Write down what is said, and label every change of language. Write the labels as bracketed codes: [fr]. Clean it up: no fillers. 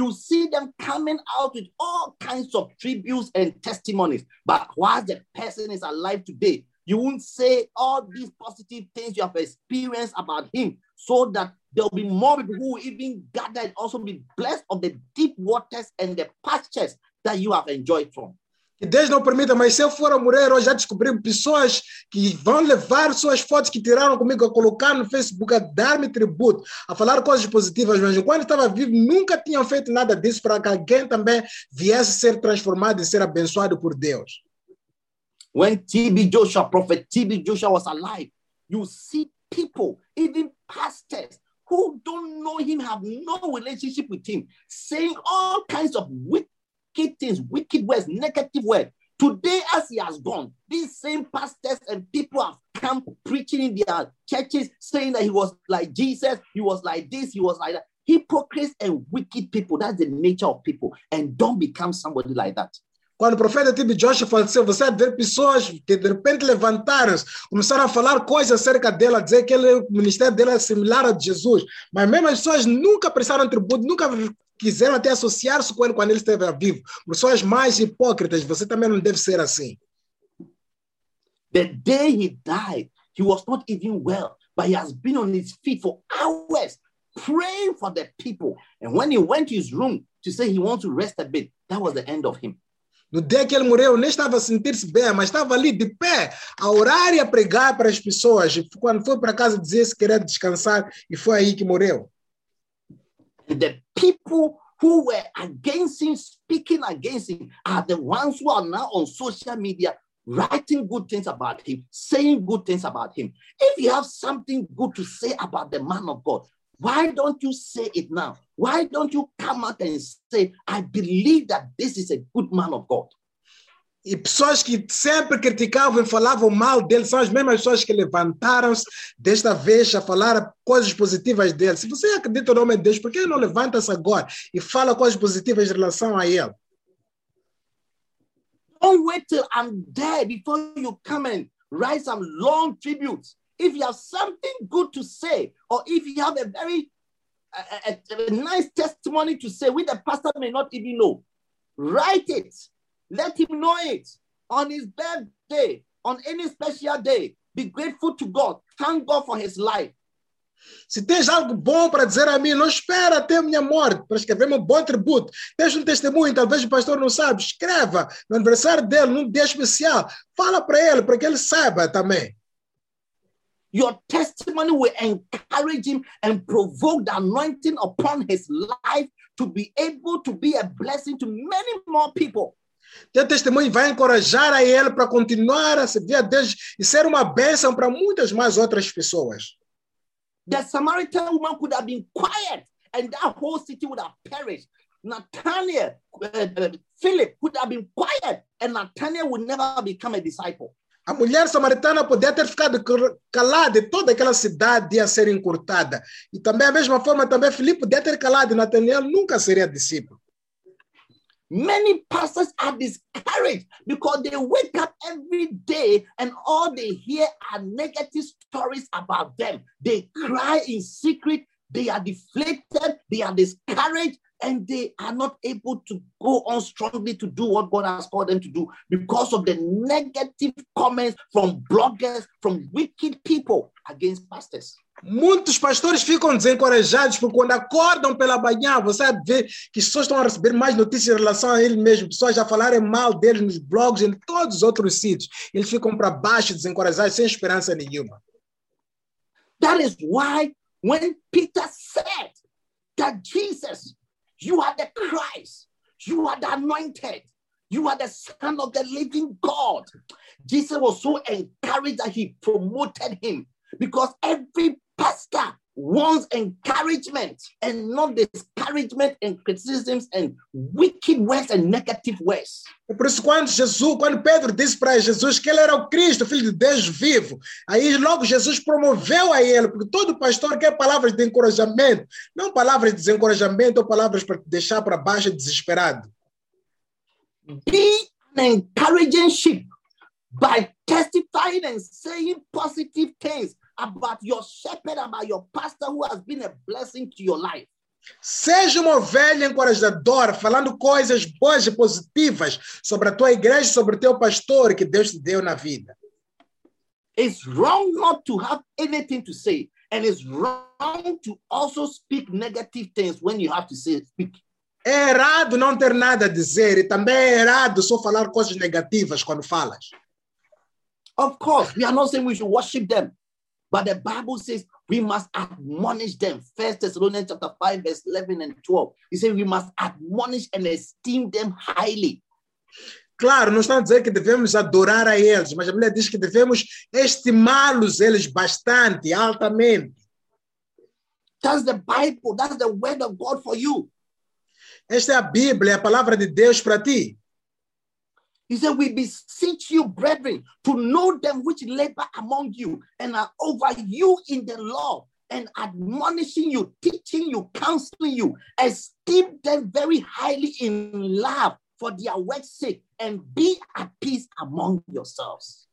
[en] You see them coming out with all kinds of tributes and testimonies. But while the person is alive today, you won't say all these positive things you have experienced about him, so that there will be more people who will even gather and also be blessed of the deep waters and the pastures that you have enjoyed from. [pt] E Deus não permita, mas se eu for a morrer, eu já descobri pessoas que vão levar suas fotos que tiraram comigo a colocar no Facebook, a dar-me tributo, a falar coisas positivas, mas enquanto estava vivo, nunca tinham feito nada disso para que alguém também viesse ser transformado e ser abençoado por Deus. [en] When T.B. Joshua, Prophet T.B. Joshua was alive, you see people, even pastors, who don't know him, have no relationship with him, saying all kinds of wicked words, negative words. Today, as he has gone, these same pastors and people have come preaching in their churches, saying that he was like Jesus, he was like this, he was like that. Hypocrites and wicked people, that's the nature of people. And don't become somebody like that. [pt] Quando o profeta T.B. Joshua faleceu, você vê pessoas que de repente levantaram-se, começaram a falar coisas acerca dele, a dizer que ele, o ministério dele é similar ao de Jesus. Mas mesmo as pessoas nunca prestaram tributo, nunca quiseram até associar-se com ele quando ele esteve vivo. Pessoas mais hipócritas, você também não deve ser assim. [en] The day he died, he was not even well, but he has been on his feet for hours, praying for the people. And when he went to his room to say he wants to rest a bit, that was the end of him. [pt] No dia que ele morreu, nem estava a sentir-se bem, mas estava ali de pé, a orar e a pregar para as pessoas. Quando foi para casa, dizia-se querer descansar, e foi aí que morreu. [en] The people who were against him, speaking against him, are the ones who are now on social media, writing good things about him, saying good things about him. If you have something good to say about the man of God, why don't you say it now? Why don't you come out and say, I believe that this is a good man of God? [pt] E pessoas que sempre criticavam e falavam mal dele são as mesmas pessoas que levantaram-se desta vez a falar coisas positivas dele. Se você acredita no nome de Deus, por que não levanta-se agora e fala coisas positivas em relação a ele? [en] Don't wait till I'm dead before you come and write some long tributes. If you have something good to say, or if you have a very a nice testimony to say, which the pastor may not even know, write it. Let him know it on his birthday, on any special day. Be grateful to God. Thank God for his life. [pt] Se tens algo bom para dizer a mim, não espera até a minha morte para escrever meu bom tributo. Deixa um testemunho, talvez o pastor não saiba. Escreva no aniversário dele, num dia especial. Fala para ele, para que ele saiba também. [en] Your testimony will encourage him and provoke the anointing upon his life to be able to be a blessing to many more people. [pt] Teu testemunho vai encorajar a ele para continuar a servir a Deus e ser uma bênção para muitas mais outras pessoas. [en] The Samaritan woman could have been quiet and that whole city would have perished. Nathaniel, Philip could have been quiet and Nathaniel would never become a disciple. [pt] A mulher samaritana podia ter ficado calada e toda aquela cidade ia ser encurtada. E também, da mesma forma, também Filipe podia ter calado e Nathaniel nunca seria discípulo. [en] Many pastors are discouraged because they wake up every day and all they hear are negative stories about them. They cry in secret, they are deflated, they are discouraged, and they are not able to go on strongly to do what God has called them to do because of the negative comments from bloggers, from wicked people against pastors. [pt] Muitos pastores ficam desencorajados porque quando acordam pela manhã, você vê que as pessoas estão a receber mais notícias em relação a ele mesmo, pessoas já falarem mal dele nos blogs e em todos os outros sítios. Eles ficam para baixo, desencorajados, sem esperança nenhuma. [en] That is why when Peter said that Jesus, you are the Christ, you are the anointed, you are the son of the living God, Jesus was so encouraged that he promoted him. Because every pastor wants encouragement and not discouragement and criticisms and wicked words and negative words. [pt] Por isso, quando Pedro disse para Jesus que ele era o Cristo, filho de Deus vivo, aí logo Jesus promoveu a ele, porque todo pastor quer palavras de encorajamento, não palavras de desencorajamento ou palavras para te deixar para baixo desesperado. [en] Be an encouraging sheep by testifying and saying positive things about your shepherd, about your pastor who has been a blessing to your life. [pt] Seja uma ovelha encorajadora, falando coisas boas e positivas sobre a tua igreja, sobre o teu pastor que Deus te deu na vida. [en] It's wrong not to have anything to say, and it's wrong to also speak negative things when you have to say speak. [pt] É errado não ter nada a dizer e também é errado só falar coisas negativas quando falas. [en] Of course, we are not saying we should worship them. But the Bible says we must admonish them. 1 Thessalonians chapter 5, verse 11 and 12. He says we must admonish and esteem them highly. [pt] Claro, não está a dizer que devemos adorar a eles, mas a Bíblia diz que devemos estimá-los eles bastante, altamente. [en] That's the Bible. That's the word of God for you. [pt] Esta é a Bíblia, a palavra de Deus para ti. [en] He said, we beseech you, brethren, to know them which labor among you and are over you in the law and admonishing you, teaching you, counseling you. Esteem them very highly in love for their work's sake and be at peace among yourselves.